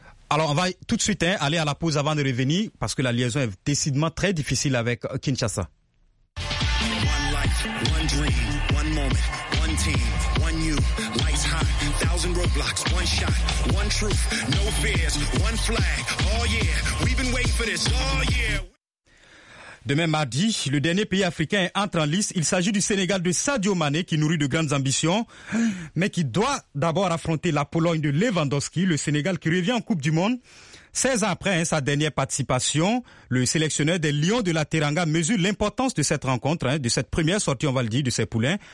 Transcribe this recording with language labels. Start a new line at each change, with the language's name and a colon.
French: Alors, on va tout de suite aller à la pause avant de revenir parce que la liaison est décidément très difficile avec Kinshasa.
English: One life, one dream, one moment, one team. Lights high, 1,000 roadblocks, one shot, one truth, no fears, one flag, oh yeah, we've been waiting for this, oh yeah.
French: Demain mardi, le dernier pays africain entre en lice. Il s'agit du Sénégal de Sadio Mané qui nourrit de grandes ambitions, mais qui doit d'abord affronter la Pologne de Lewandowski, le Sénégal qui revient en Coupe du Monde. 16 ans après sa dernière participation, le sélectionneur des Lions de la Teranga mesure l'importance de cette rencontre, de cette première sortie, on va le dire, de ses poulains.